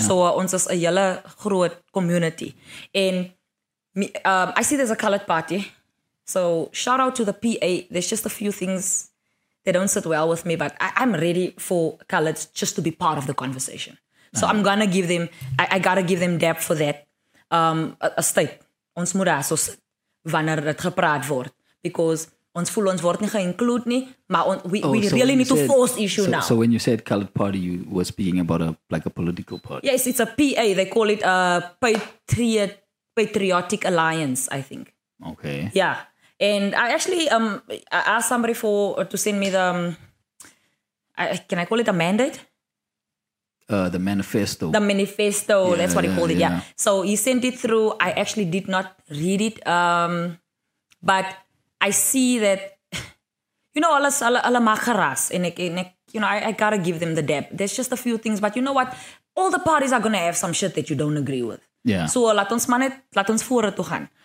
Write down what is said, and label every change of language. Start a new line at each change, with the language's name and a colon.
English: So
Afrikaans: ons is a hele groot
English: community. And I see there's a colored party. So shout out to the PA. There's just a few things that don't sit well with me, but I'm ready for coloreds just to be part of the conversation. So I'm going to give them, I got to give them depth for that. A state.
Afrikaans: Ons moet daar so sit wanneer dit gepraat word. Because ons voel ons word nie geïnclude nie, maar
English: we really need to force issue now. So when you said colored party, you were speaking about a political party. Yes, it's a PA. They call it a Patriotic Alliance, I think. Okay. Yeah. And I actually I asked somebody to send me the, can I call it a mandate? The manifesto. The manifesto, yeah, that's what he called it, yeah. So he sent it through. I actually did not read it, but I see that, you know, alla makaras, I gotta give them the dab. There's just a few things, but you know what? All the parties are gonna have some shit that you don't agree with. Yeah.
Afrikaans: So laat ons manet, laat ons voor toe gaan.